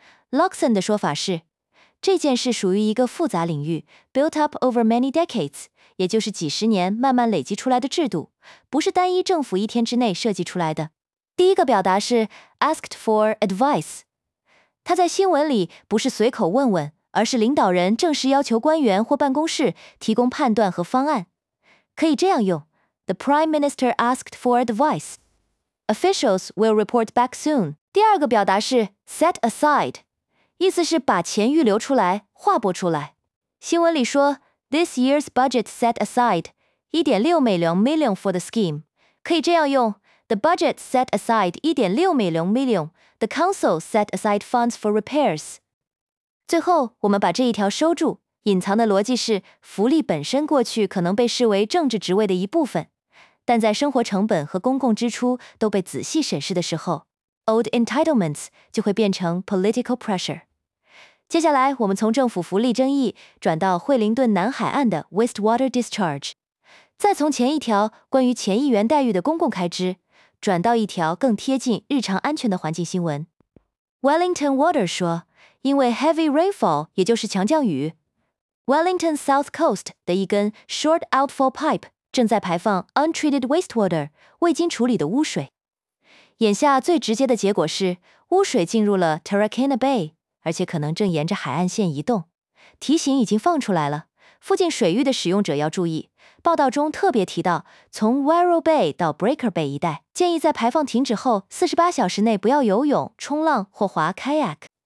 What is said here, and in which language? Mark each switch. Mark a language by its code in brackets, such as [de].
[zh] Luxon 的说法是，这件事属于一个复杂领域 ， [en] built up over many decades， [zh] 也就是几十年慢慢累积出来的制度，不是单一政府一天之内设计出来的。第一个表达是 [en] asked for advice， [zh] 他在新闻里不是随口问问，而是领导人正式要求官员或办公室提供判断和方案。可以这样用 [en] ：The Prime Minister asked for advice. Officials will report back soon. [zh] 第二个表达是 set aside。意思是把钱预留出来，划拨出来。新闻里说 [en] ，This year's budget set aside 1.6 million for the scheme， [zh] 可以这样用 [en] ：The budget set aside 1.6 million. The council set aside funds for repairs。 [zh] 最后，我们把这一条收住。隐藏的逻辑是，福利本身过去可能被视为政治职位的一部分，但在生活成本和公共支出都被仔细审视的时候。 [en] Old entitlements [zh] 就会变成 [en] political pressure。 [zh] 接下来我们从政府福利争议转到惠灵顿南海岸的 wastewater discharge， 再从前一条关于前议员待遇的公共开支转到一条更贴近日常安全的环境新闻。 Wellington Water 说，因为 heavy rainfall， 也就是强降雨， Wellington South Coast 的一根 short outfall pipe 正在排放 untreated wastewater， 未经处理的污水。眼下最直接的结果是，污水进入了 Tarakana Bay， 而且可能正沿着海岸线移动。提醒已经放出来了，附近水域的使用者要注意。报道中特别提到，从 Wairau Bay 到 Breaker Bay 一带，建议在排放停止后48小时内不要游泳、冲浪或划 kayak。